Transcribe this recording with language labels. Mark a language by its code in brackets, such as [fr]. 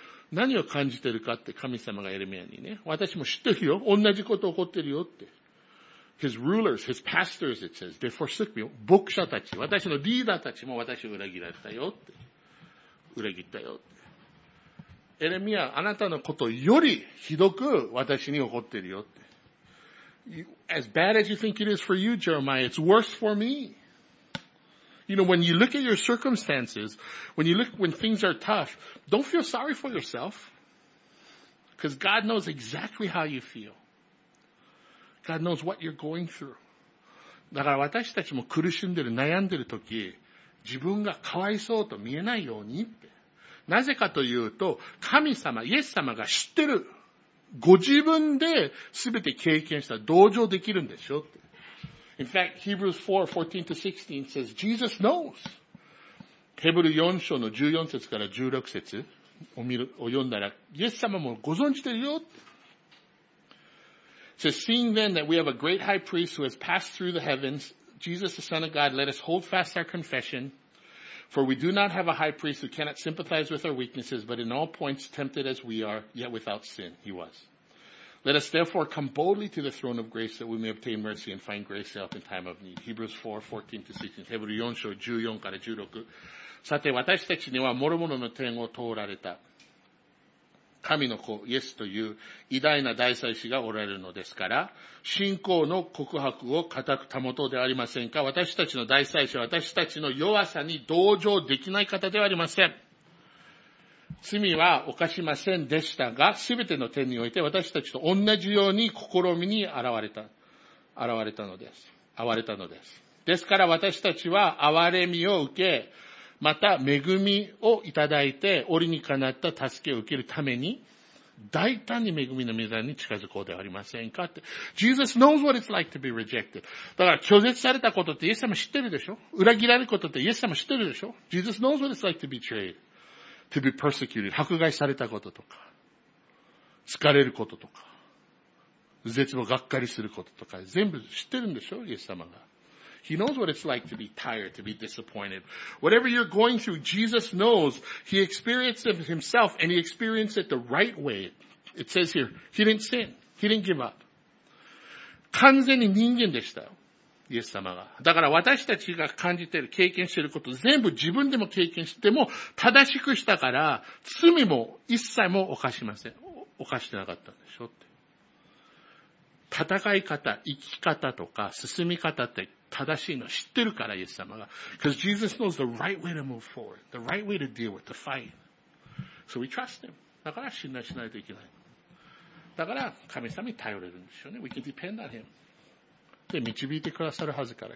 [ja] 何を感じてるかって神様がエレミアにね、私も知ってるよ。同じこと起こってるよって。 [en] His rulers, his pastors, it says, they forsook me. [ja] 牧者たち、私のリーダーたちも私を裏切られたよって。裏切ったよって。エレミア、あなたのことよりひどく私に怒ってるよって。 [en] As bad as you think it is for you, Jeremiah, it's worse for me. You know, when you look at your circumstances, when things are tough, don't feel sorry for yourself. Because God knows exactly how you feel. God knows what you're going through. [ja] だから私たちも苦しんでる、悩んでる時、自分がかわいそうと見えないようにって。なぜかというと、神様、イエス様が知ってる。ご自分で全て経験したら同情できるんでしょって。 [en] In fact, Hebrews 4:14 to 16 says, Jesus knows. [ja] ヘブル4章の14節から16節を読んだら、イエス様もご存知てるよって。 [en] So seeing then that we have a great high priest who has passed through the heavens, Jesus the Son of God, let us hold fast our confession. For we do not have a high priest who cannot sympathize with our weaknesses, but in all points tempted as we are, yet without sin, he was. Let us therefore come boldly to the throne of grace that we may obtain mercy and find grace to help in time of need. Hebrews 4:14-16. [ja] ヘブル4章14から16。さて、私たちには諸々の天を通られた。神の子、イエスという偉大な大祭司がおられるのですから、信仰の告白を固く保とうではありませんか。私たちの大祭司は私たちの弱さに同情できない方ではありません。罪は犯しませんでしたが、すべての点において私たちと同じように試みに現れたのです。ですから私たちは憐れみを受け、また、恵みをいただいて、折にかなった助けを受けるために、大胆に恵みの御座に近づこうではありませんかって。 [en] Jesus knows what it's like to be rejected. [ja] だから、拒絶されたことってイエス様知ってるでしょ？裏切られることってイエス様知ってるでしょ ? [en] Jesus knows what it's like to be betrayed, to be persecuted, [ja] 迫害されたこととか、疲れることとか、絶望がっかりすることとか、全部知ってるんでしょ？イエス様が。 [en] He knows what it's like to be tired, to be disappointed. Whatever you're going through, Jesus knows. He experienced it himself, and he experienced it the right way. It says here, he didn't sin. He didn't give up. [ja] 完全に人間でした。イエス様が。だから私たちが感じている、経験していること、全部自分でも経験しても、正しくしたから、罪も一切も犯しません。犯してなかったんでしょって。戦い方、生き方とか、進み方って、正しいの知ってるから、イエス様が。 [en] Because Jesus knows the right way to move forward, the right way to deal with the fight. So we trust him. [ja] だから信頼しないといけない。だから神様に頼れるんでしょうね。 [en] We can depend on him. [ja] で、導いてくださるはずから。